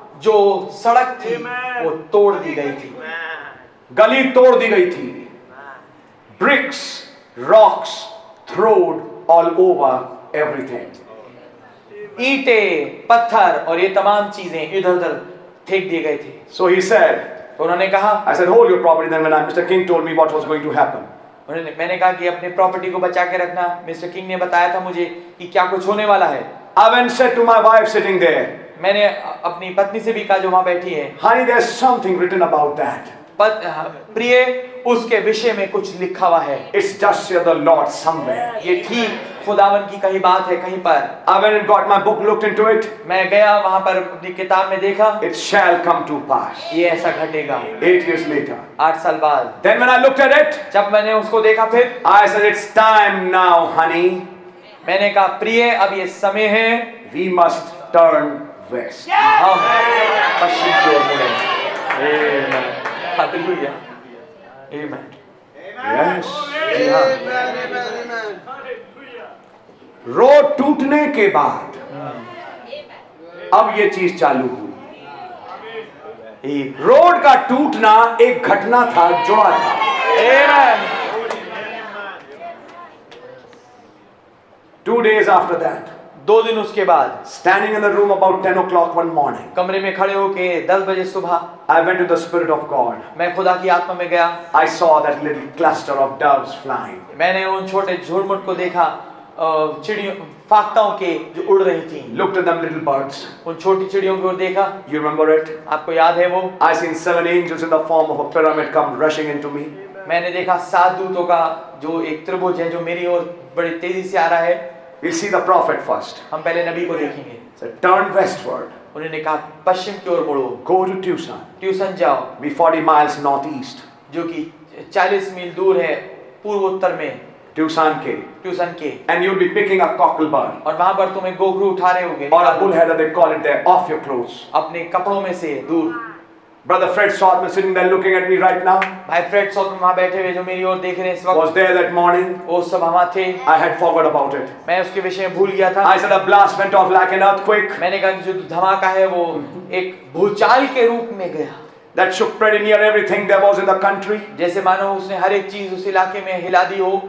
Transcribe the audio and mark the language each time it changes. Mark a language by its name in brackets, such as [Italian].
[Hindi] जो सड़क थी वो तोड़ दी गई थी, गली तोड़ दी गई थी, [English] bricks rocks throwed all over everything, [Hindi] ईटे पत्थर और ये तमाम चीजें इधर उधर फेंक दिए गए थे। [English] So he said, [Hindi] तो उन्होंने कहा, [English] I said, hold your property. Then when Mr. King told me what was going to happen, [Hindi] मैंने कहा कि अपने प्रॉपर्टी को बचा के रखना, मिस्टर किंग ने बताया था मुझे कि क्या कुछ होने वाला है। [English] I went said to my wife sitting there, [Hindi] मैंने अपनी पत्नी से भी कहा जो वहां बैठी है, [English] Honey, there's something written about that. [Hindi] प्रिय, उसके विषय में कुछ लिखा हुआ है। [English] It's just the Lord somewhere. [Hindi] ये ठीक खुदावन की कहीं बात है कहीं पर। [English] I went and got my book, looked into it. [Hindi] मैं गया वहाँ पर अपनी किताब में देखा। [English] It shall come to pass. [Hindi] ये ऐसा घटेगा। [English] 8 years later. [Hindi] 8 साल बाद. [English] Then when I looked at it. [Hindi] जब मैंने उसको देखा फिर। [English] I said it's time now, honey. [Hindi] मैंने कहा प्रिय अब ये समय है। [English] We must turn west. [Hindi] हम पश्चिम की ओर मुड़ें। Amen. Hallelujah. Amen. [English] Amen. Yes. Amen. Amen. Amen. [Hindi] Road टूटने के बाद अब ये चीज चालू हुई। रोड का टूटना एक घटना था, जुड़ा था। [English] Amen. Two days after that. [Hindi] दो दिन उसके बाद [English] standing in the room about 10 o'clock one morning, [Hindi] कमरे में खड़े होके 10 बजे सुबह [English] I went to the spirit of God. [Hindi] मैं खुदा की आत्मा में गया. [English] I saw that little cluster of doves flying. [Hindi] मैंने उन छोटे झुरमुट को देखा, चिड़ियों फाकताओं के जो उड़ रही थी. [English] Looked at them little birds. [Hindi] उन छोटी चिड़ियों को देखा. [English] You remember it? [Hindi] आपको याद है वो? [English] I seen seven angels in the form of a pyramid come rushing into me. [Hindi] मैंने देखा सात दूतों का जो एक त्रिभुज है जो मेरी ओर बड़ी तेजी से आ रहा है. [English] We'll see the prophet first. [Hindi] हम पहले नबी को देखेंगे. [English] So turn westward. [Hindi] उन्होंने कहा पश्चिम की ओर मुड़ो. [English] Go to Tucson. [Hindi] Tucson जाओ. [English] Be 40 miles northeast. [Hindi] जो कि 40 मील दूर है पूर्व उत्तर में. [English] Tucson [Hindi] के. [English] And you'll be picking a cocklebur. [Hindi] और वहाँ पर तुम्हें गोगरू उठा रहे होंगे. [English] Or a bullhead, they call it there. Off your clothes. [Hindi] अपने कपड़ों में से दूर. [English] Brother Fred Sautman sitting there looking at me right now. [Hindi] My Fred Sautman वहाँ बैठे हुए जो मेरी ओर देख रहे हैं इस वक्त. [English] Was there that morning? [Hindi] वो सब वहाँ थे. [English] I had forgot about it. [Hindi] मैं उसके विषय में भूल गया था. [English] I said a blast went off like an earthquake. [Hindi] मैंने कहा कि जो धमाका है वो एक भूचाल के रूप में गया. [English] That shook pretty near everything that was in the country. [Hindi] जैसे मानो उसने हर एक चीज उस इलाके में हिला दी हो.